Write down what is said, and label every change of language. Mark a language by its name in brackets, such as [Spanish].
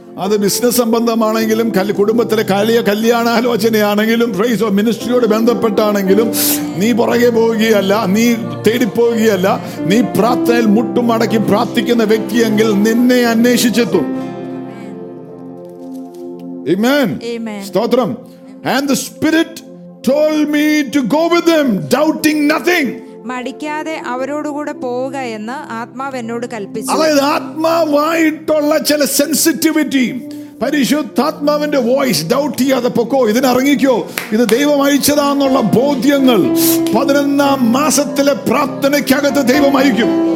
[Malayalam] അത് ബിസിനസ് സംബന്ധമാണെങ്കിലും കുടുംബത്തിലെ കലിയ കല്യാണാലോചനയാണെങ്കിലും ഫ്രൈസോ മിനിസ്ട്രിയോട് ബന്ധപ്പെട്ടാണെങ്കിലും നീ പുറകെ പോവുകയല്ല, നീ തേടിപ്പോവുകയല്ല, നീ പ്രാർത്ഥനയിൽ മുട്ടും മടക്കി പ്രാർത്ഥിക്കുന്ന വ്യക്തിയെങ്കിൽ നിന്നെ അന്വേഷിച്ചെത്തും. [English] Amen. Amen. [Malayalam] Stotram. [English] And the Spirit told me to go with them, doubting nothing. [Malayalam] മടിക്കാതെ അവരോടുകൂടെ പോവുക എന്ന് ആത്മാവ് എന്നോട് കൽപ്പിച്ചു. അതായത് ആത്മാവായിട്ടുള്ള ചില സെൻസിറ്റിവിറ്റി, പരിശുദ്ധാത്മാവിന്റെ വോയിസ്, ഡൗട്ട് ചെയ്യാതെ പൊക്കോ, ഇതിനിറങ്ങിക്കോ, ഇത് ദൈവം അയച്ചതാന്നുള്ള ബോധ്യങ്ങൾ 11 മാസത്തിലെ പ്രാർത്ഥനയ്ക്കകത്ത് ദൈവം അയക്കും.